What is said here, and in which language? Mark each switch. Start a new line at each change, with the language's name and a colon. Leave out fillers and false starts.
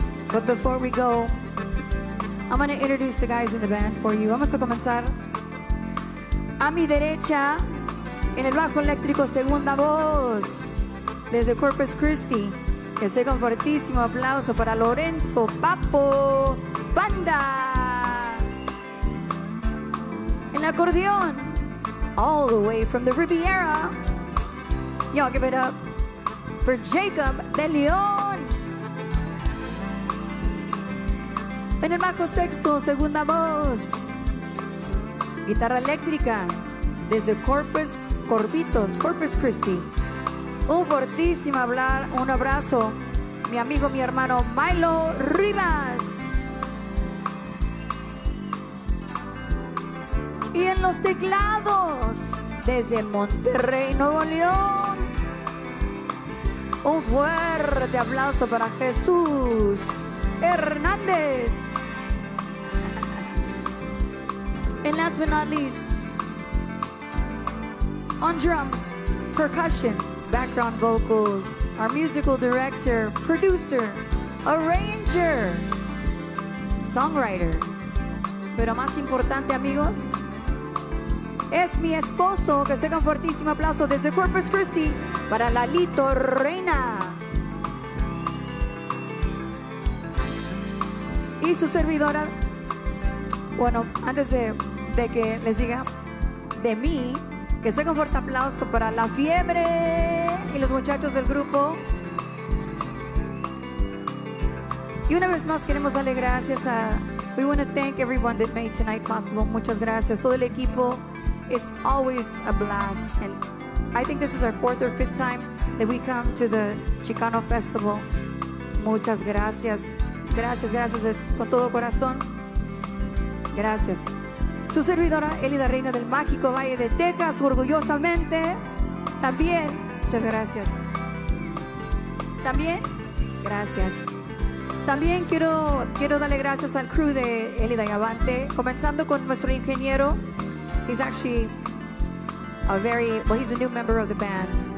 English: But before we go, I'm going to introduce the guys in the band for you.
Spanish: Vamos a comenzar. A mi derecha, en el bajo eléctrico, segunda voz, desde Corpus Christi. Que sea un fuertísimo aplauso para Lorenzo Papo Banda. En el acordeón,
English: all the way from the Riviera. Y'all give it up for Jacob De León.
Spanish: En el bajo sexto, segunda voz, guitarra eléctrica, desde Corpus Christi. Un fortísimo hablar, un abrazo, mi amigo, mi hermano, Milo Rivas. Y en los teclados, desde Monterrey, Nuevo León, un fuerte aplauso para Jesús Hernández.
English: And last but not least, on drums, percussion, background vocals, our musical director, producer, arranger, songwriter.
Spanish: Pero más importante, amigos, es mi esposo. Que sea un fuertísimo aplauso desde Corpus Christi para Lalito Reyna. Y su servidora, bueno, antes de que les diga de mí, que sea un fuerte aplauso para La Fiebre y los muchachos del grupo. Y una vez más queremos darle gracias a...
English: We want to thank everyone that made tonight possible.
Spanish: Muchas gracias. Todo el equipo.
English: It's always a blast. And I think this is our fourth or fifth time that we come to the Chicano Festival.
Spanish: Muchas gracias. Gracias, gracias con todo corazón. Gracias. Su servidora, Elida Reyna del Mágico Valle de Texas, orgullosamente. También, muchas gracias. También, gracias. También quiero darle gracias al crew de Elida y Avante, comenzando con nuestro ingeniero.
English: He's actually he's a new member of the band.